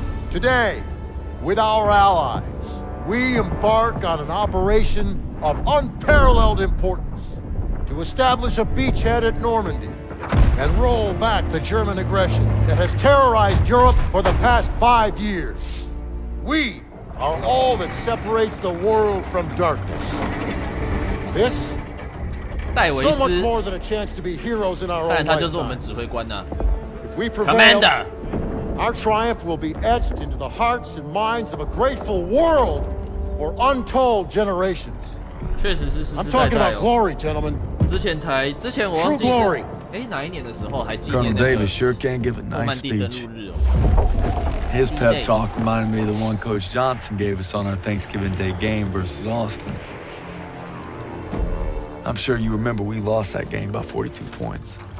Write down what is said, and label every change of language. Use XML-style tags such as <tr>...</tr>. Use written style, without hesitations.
<en>Today, with our allies, we embark on an operation of unparalleled importance to establish a beachhead at Normandy and roll back the German aggression that has terrorized Europe for the past 5 years. We are all that separates the world from darkness. This is so much more than a chance to be heroes in our own lifetime.</en> <zh>看来他就是我们指挥官呐。</zh> <en>If we prevail, Commander. Our triumph will be etched into the hearts and minds of a grateful world for untold generations.</en> <zh>确实是世世代代哦。</zh> <en>I'm talking about glory, gentlemen.</en> <zh>之前我忘记是，哎，哪一年的时候还纪念那个。</zh> <en>Colonel Davis sure can give a nice speech.</en> <zh>诺曼底登陆日哦。</zh> <en>His pep talk reminded me of the one Coach Johnson gave us on our Thanksgiving Day game versus Austin. I'm sure you remember we lost that game by 42 points.</en>